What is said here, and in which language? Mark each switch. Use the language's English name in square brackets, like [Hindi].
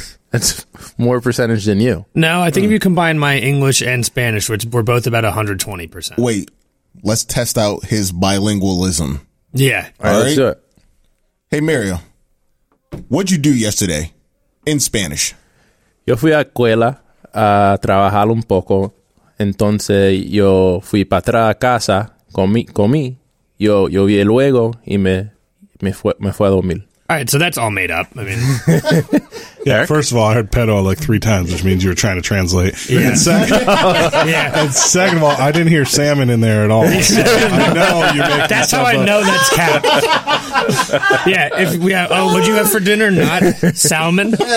[English] That's more percentage than you. No, I think if you combine my English and Spanish, which we're both about 120%. Wait, let's test out his bilingualism. Yeah. All right. Let's do it. Hey, Mario, what'd you do yesterday in Spanish? [Spanish] Yo fui a escuela a trabajar un poco. Entonces, yo fui para atrás a casa, comí. Yo vi luego y me fue a dormir. [English] All right, so that's all made up. I mean, yeah, first of all, I heard pedo like three times, which means you were trying to translate. Yeah. And second of all, I didn't hear salmon in there at all. So I know you make that's how I up. Know that's capped. Yeah, if we have, what'd you have for dinner? Not salmon?